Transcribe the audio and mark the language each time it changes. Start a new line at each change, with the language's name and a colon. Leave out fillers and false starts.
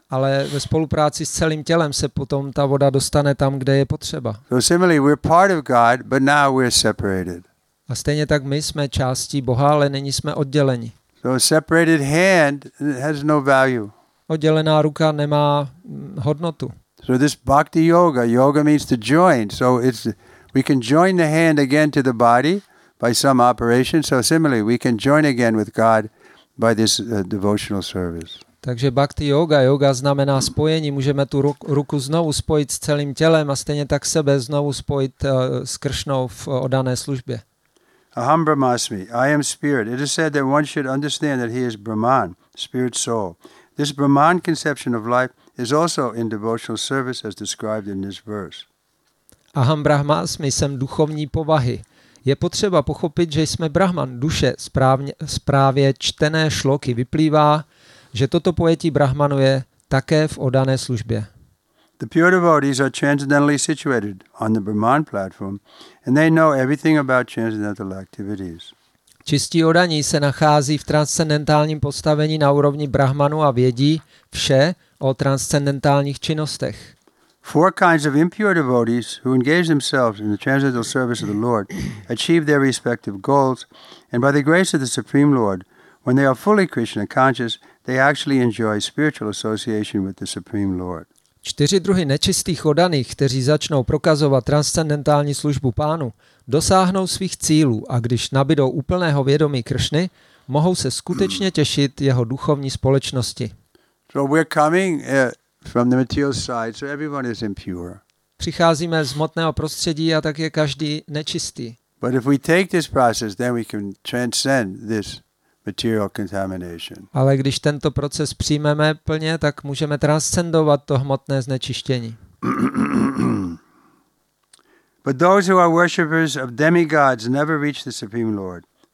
Czech: Ale ve spolupráci s celým tělem se potom ta voda dostane tam, kde je potřeba.
English: So similarly, we're part of God, but now we're separated.
Czech: A stejně tak my jsme částí Boha, ale nyní jsme odděleni.
English: So a separated hand has no value.
Czech: Oddělená ruka nemá hodnotu.
English: So this bhakti yoga, yoga means to join. So it's we can join the hand again to the body by some operation. So similarly, we can join again with God by this devotional service.
Czech: Takže bhakti yoga, yoga znamená spojení. Můžeme tu ruku znovu spojit s celým tělem a stejně tak sebe znovu spojit s Kršnou v oddané službě.
Sanskrit: Aham Brahmasmi,
English: I am spirit. It is said that one should understand that he is Brahman, spirit soul. This Brahman conception of life is also in devotional service as described in this verse.
Sanskrit: Aham Brahmasmi,
Czech: jsem duchovní povahy. Je potřeba pochopit, že jsme Brahman, duše. Zprávě čtené šloky vyplývá, že toto pojetí Brahmanu je také v oddané službě.
English: The pure devotees are transcendentally situated on the Brahman platform and they know everything about transcendental activities.
Czech: Čistí oddaní se nachází v transcendentálním postavení na úrovni Brahmanu a vědí vše o transcendentálních činnostech.
English: Four kinds of impure devotees who engage themselves in the transcendental service of the Lord achieve their respective goals, and by the grace of the Supreme Lord, when they are fully Krishna conscious, they actually enjoy spiritual association with the Supreme Lord.
Czech: Čtyři druhy nečistých oddaných, kteří začnou prokazovat transcendentální službu Pánu, dosáhnou svých cílů a když nabydou úplného vědomí Kršny, mohou se skutečně těšit jeho duchovní společnosti.
English: So we're coming from the material side, so everyone is impure.
Czech: Přicházíme z hmotného prostředí a tak je každý nečistý.
English: But if we take this process, then we can transcend this material contamination.
Czech: Ale když tento proces přijmeme plně, tak můžeme transcendovat to hmotné znečištění.
English: But those who are worshippers of demigods never reach the Supreme Lord.